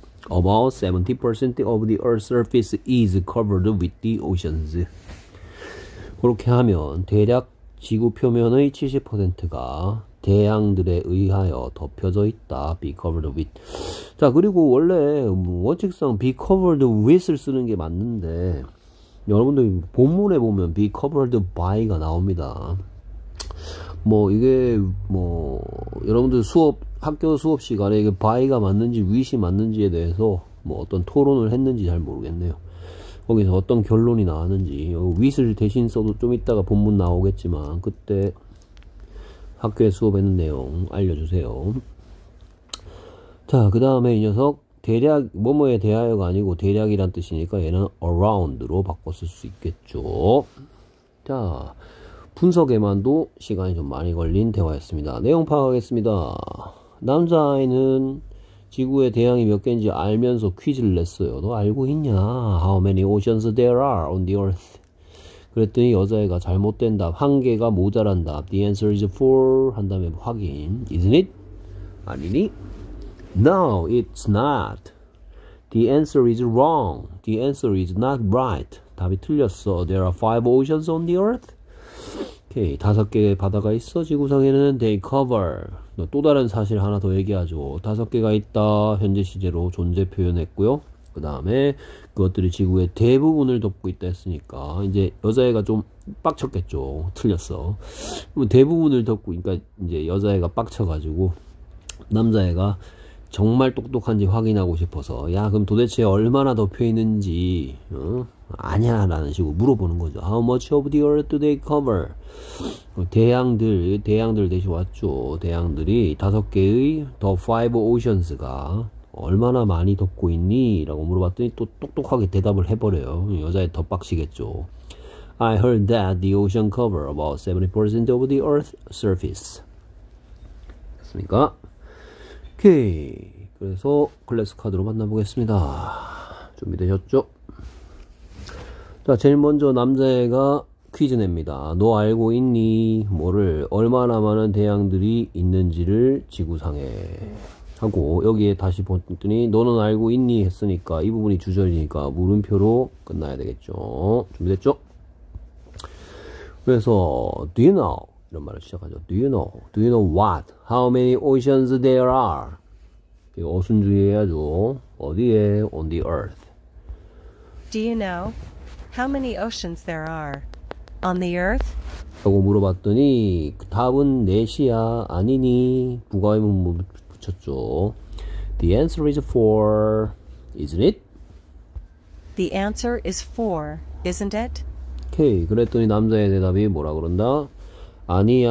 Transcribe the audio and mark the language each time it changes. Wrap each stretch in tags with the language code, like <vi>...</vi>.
<en>about 70% of the earth's surface is covered with the oceans.</en> <ko>그렇게 하면 대략 지구 표면의 70%가 대양들에 의하여 덮여져 있다.</ko> <en>be covered with.</en> <ko>자, 그리고 원래 원칙상 be covered with을 쓰는 게 맞는데 여러분들 본문에 보면 be covered by가 나옵니다. 뭐 이게 뭐 여러분들 학교 수업 시간에 이게 by가 맞는지 with이 맞는지에 대해서 뭐 어떤 토론을 했는지 잘 모르겠네요. 거기서 어떤 결론이 나왔는지 with을 대신 써도 좀 이따가 본문 나오겠지만 그때 학교에 수업했는 내용 알려주세요. 자, 그 다음에 이 녀석, 대략, 뭐뭐에 대하여가 아니고 대략이란 뜻이니까 얘는 around로 바꿔 쓸수 있겠죠. 자, 분석에만도 시간이 좀 많이 걸린 대화였습니다. 내용 파악하겠습니다. 남자아이는 지구의 대양이 몇 개인지 알면서 퀴즈를 냈어요. 너 알고 있냐?</ko> <en>How many oceans there are on the earth?</en> <ko>그랬더니 여자애가 잘못된 답, 한 개가 모자란다.</ko> <en>The answer is four.</en> <ko>한 다음에 확인.</ko> <en>Isn't it?</en> <ko>아니니?</ko> <en>No, it's not. The answer is wrong. The answer is not right.</en> <ko>답이 틀렸어.</ko> <en>There are five oceans on the earth.</en> <ko>오케이. 다섯 개의 바다가 있어. 지구상에는</ko> <en>they cover.</en> <ko>또 다른 사실 하나 더 얘기하죠. 다섯 개가 있다. 현재 시제로 존재 표현했고요. 그 다음에 그것들이 지구의 대부분을 덮고 있다 했으니까 이제 여자애가 좀 빡쳤겠죠. 틀렸어. 그럼 대부분을 덮고, 그러니까 이제 여자애가 빡쳐가지고 남자애가 정말 똑똑한지 확인하고 싶어서, 야, 그럼 도대체 얼마나 덮여 있는지, 어? 아냐, 라는 식으로 물어보는 거죠.</ko> <en>How much of the earth do they cover?</en> <ko>대양들, 대양들 대신 왔죠. 대양들이 다섯 개의 The Five Oceans가 얼마나 많이 덮고 있니? 라고 물어봤더니 또 똑똑하게 대답을 해버려요. 여자애 더 빡치겠죠.</ko> <en>I heard that the ocean cover about 70% of the earth's surface.</en> <ko>됐습니까? 오케이. 그래서 클래스 카드로 만나보겠습니다. 준비되셨죠? 자, 제일 먼저 남자애가 퀴즈 냅니다. 너 알고 있니? 뭐를? 얼마나 많은 대양들이 있는지를 지구상에. 하고, 여기에 다시 봤더니, 너는 알고 있니? 했으니까, 이 부분이 주절이니까, 물음표로 끝나야 되겠죠. 준비됐죠? 그래서,</ko> <en>do you know?</en> <ko>이런 말을 시작하죠.</ko> <en>Do you know? Do you know what? How many oceans there are?</en> <ko>어순주의해야죠. 어디에?</ko> <en>On the earth. Do you know how many oceans there are on the earth?</en> <ko>라고 물어봤더니 답은 넷이야. 아니니? 부가의문 붙였죠.</ko> <en>The answer is four, isn't it? The answer is four, isn't it?</en> <ko>오케이. 그랬더니 남자의 대답이 뭐라 그런다? 아니야.</ko>